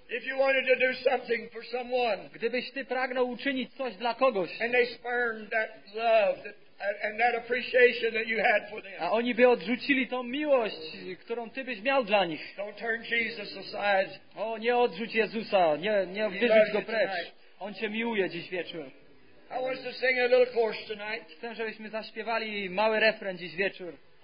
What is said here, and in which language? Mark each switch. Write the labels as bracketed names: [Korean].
[English] If you wanted to do something for someone. [Polish] Gdybyś Ty pragnął uczynić coś dla kogoś. [English] And they spurned that love and that appreciation that you had for them. [Polish] A oni by odrzucili tą miłość, którą Ty byś miał dla nich. [English] Don't turn Jesus aside. [Polish] O, nie odrzuć Jezusa, nie wyrzuć Go precz. On Cię miłuje dziś wieczór. [English] I want to sing a little chorus tonight. [Polish] Chcę, żebyśmy zaśpiewali mały refren dziś wieczór.